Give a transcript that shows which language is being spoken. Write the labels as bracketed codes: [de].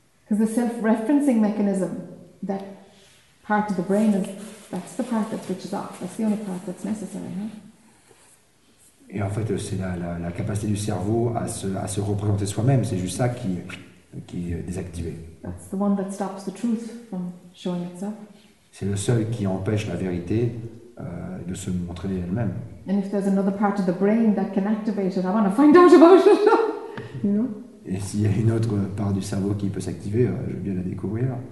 [en] The self-referencing mechanism, that part of the brain is, that's the part that switches off. That's the only part that's necessary, huh? [fr] Et en fait, c'est la capacité du cerveau à se représenter soi-même. C'est juste ça qui est désactivé. [en] That's the one that stops the truth from showing itself. [fr] C'est le seul qui empêche la vérité de se montrer elle-même. [en] And if there's another part of the brain that can activate it, I want to find out about it. You know. [fr] Et s'il y a une autre part du cerveau qui peut s'activer, je veux bien la découvrir.